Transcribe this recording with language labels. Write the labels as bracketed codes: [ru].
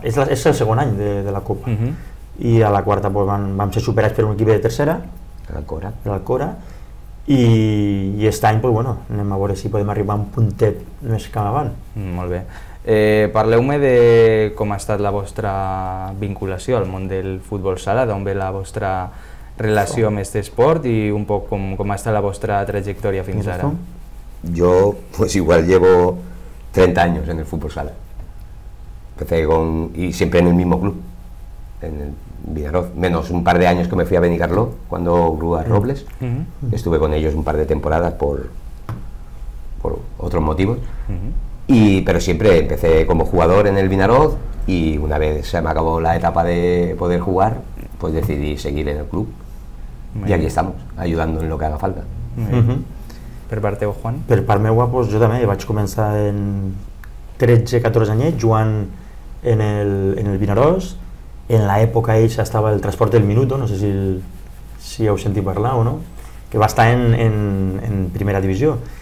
[ca] És el segon any de la Copa. I a la quarta vam ser superats per un equip de tercera, de l'Alcora, i aquest any, bueno, anem a veure si podem arribar un puntet més cap avant. Molt bé. Parleu-me de com ha estat la vostra vinculació al món del futbol sala, d'on ve la vostra relació amb aquest esport i un poc com ha estat la vostra trajectòria fins ara. [es] Jo, pues igual llevo 30 anys en el futbol sala. Empecé con, y siempre en el mismo club, en el Vinaroz, menos un par de años que me fui a Benicarló, cuando Grúa Robles. Estuve con ellos un par de temporadas por otros motivos. Pero siempre empecé como jugador en el Vinaroz y una vez se me acabó la etapa de poder jugar, pues decidí seguir en el club. Muy y aquí estamos, ayudando en lo que haga falta. [ca] ¿Per part teu, Juan? Per part meua, [es] pues yo también, [ca] vaig començar en 13-14 anys jugant en el Vinaroz. En l'època ells estava el Transport del Minuto, no sé si heu sentit parlar o no, que va estar en primera divisió.